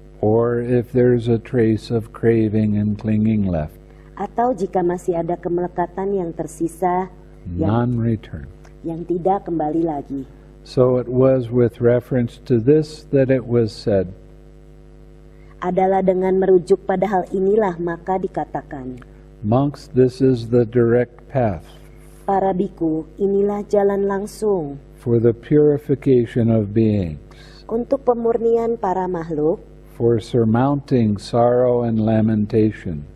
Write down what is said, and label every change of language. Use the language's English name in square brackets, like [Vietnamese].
[English] Or if there's a trace of craving and clinging left. [Indonesian] Atau jika masih ada kemelekatan yang tersisa, [English] non-return. [Indonesian] Yang tidak kembali lagi. [English] So it was with reference to this that it was said. [Indonesian] Adalah dengan merujuk pada hal inilah maka dikatakan. [English] Monks, this is the direct path. [Indonesian] Para biku, inilah jalan langsung. [English] For the purification of beings. [Indonesian] Untuk pemurnian para makhluk. [English] For surmounting sorrow and lamentation.